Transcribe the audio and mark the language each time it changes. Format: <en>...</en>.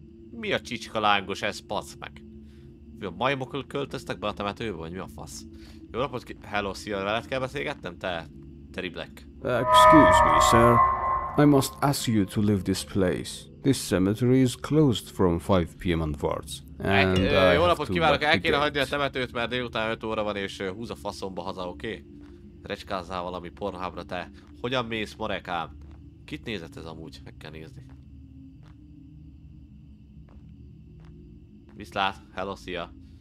<hu>Mi a csicska lángos ez, pasz meg? Mi a majmok költöztek be a temetőbe, vagy mi a fasz? Jó napot ki... Hello, szia, veled kell beszélgetnem, te...</hu> <en>Terry Black. Excuse me, sir. I must ask you to leave this place. This cemetery is closed from 5 PM onwards. And</en> <hu>jó napot kívánok, el kéne hagyni a temetőt, mert délután 5 óra van, és húz a faszomba haza, oké? Okay? Recskázzál valami Pornhubra, te. Hogyan mész, marekám? Kit nézett ez amúgy? Meg kell nézni. Viszlát, hello, szia.</hu>